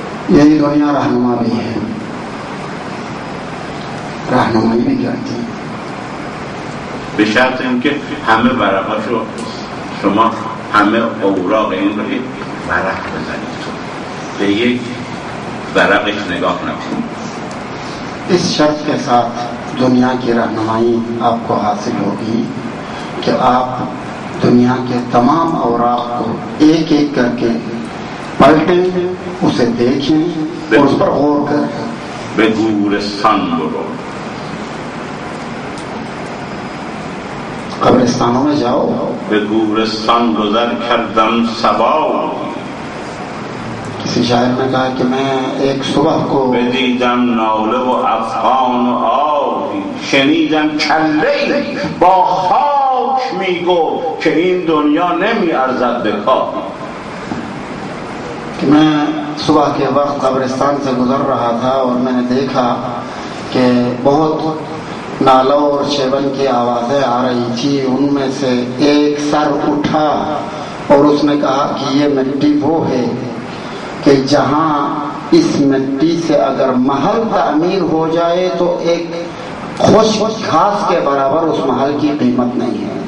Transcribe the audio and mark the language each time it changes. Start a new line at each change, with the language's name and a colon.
Persian: یعنی دنیا راهنمایی هم راهنمایی میکردی به شرط اینکه همه ورقاشو شما همه اوراق این رو ورق بزنید، تو به یک ورقش نگاه نکنید.
Urdu: اس شرط کے ساتھ دنیا کی راهنمایی آپ کو حاصل ہوگی کہ آپ دنیا کے تمام اوراق کو ایک ایک کر کے پلٹیں، اسے دیکھیں اور اس پر غور کریں.
Persian: به گورستان برو،
Urdu: قبرستانوں میں جاؤ.
Persian: به گورستان گزر کردم صبا،
Urdu: کسی شاعر نے کہا کہ میں ایک صبح کو
Persian: بدیدم ناله و افغان و آبی، شنیدم چلی با خاک میگو که این دنیا نمی ارزد بکا.
Urdu: میں صبح کے وقت قبرستان سے گزر رہا تھا اور میں نے دیکھا کہ بہت نالوں اور شیون کی آوازیں آ رہی تھی، ان میں سے ایک سر اٹھا اور اس نے کہا کہ یہ مٹی وہ ہے کہ جہاں اس مٹی سے اگر محل تعمیر ہو جائے تو ایک خوش گھاس کے برابر اس محل کی قیمت نہیں ہے.